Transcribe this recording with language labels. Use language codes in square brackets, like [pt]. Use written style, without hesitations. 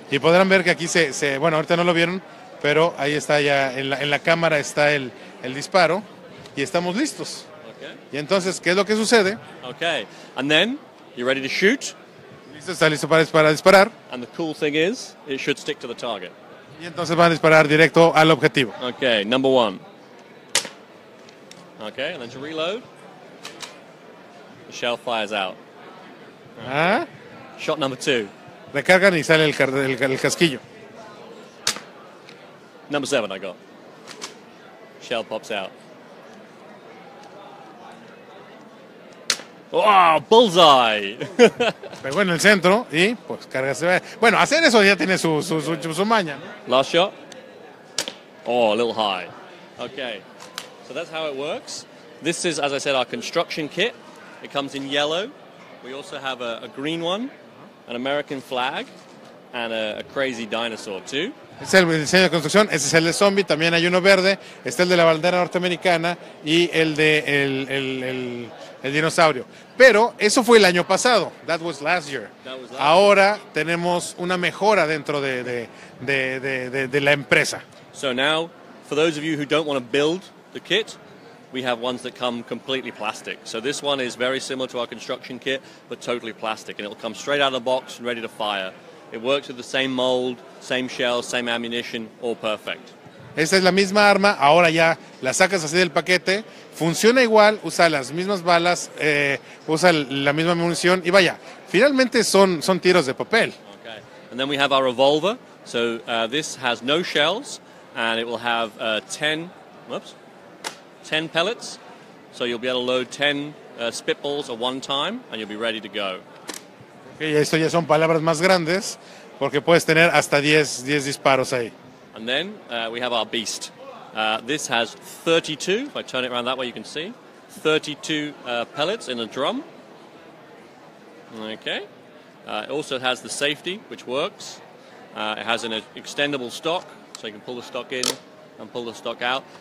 [es] Y podrán ver que aquí se bueno, ahorita no lo vieron, pero ahí está ya en la cámara está el disparo y estamos listos. [en] Okay. [es] Y entonces, ¿qué es lo que sucede? [en] Okay. And then you're ready to shoot. [es] Listo, está listo para disparar. [en] And the cool thing is, it should stick to the target. [es] Y entonces van a disparar directo al objetivo. [en] Okay, number one. Okay, and then to reload. The shell fires out. Ah. Shot number two. [es] Recargan y sale el casquillo. [en] Number seven I got. Shell pops out. Oh, bullseye. [es] Pegó en el centro y pues carga se ve. Bueno, hacer eso ya tiene su maña. [en] Last shot. Oh, a little high. Okay. So that's how it works. This is, as I said, our construction kit. It comes in yellow. We also have a green one, an American flag, and a crazy dinosaur too. [es] Es el diseño de construcción, ese es el de zombie, también hay uno verde, está el de la bandera norteamericana y el de el dinosaurio. Pero eso fue el año pasado, [en] that was last year. [es] Ahora tenemos una mejora dentro de la empresa. [en] So now, for those of you who don't want to build the kit, we have ones that come completely plastic. So this one is very similar to our construction kit, but totally plastic, and it'll come straight out of the box and ready to fire. It works with the same mold, same shell, same ammunition, all perfect. [es] Esta es la misma arma, ahora ya la sacas así del paquete, funciona igual, usa las mismas balas, usa la misma munición, y vaya, finalmente son tiros de papel. [en] Okay. And then we have our revolver, so this has no shells, and it will have 10 pellets, so you'll be able to load 10 spitballs at one time, and you'll be ready to go. [es] Y esto ya son palabras más grandes, porque puedes tener hasta 10 disparos ahí. [en] And then we have our beast. This has 32, if I turn it around that way you can see, 32 pellets in a drum. Okay. It also has the safety, which works. It has an extendable stock, so you can pull the stock in and pull the stock out.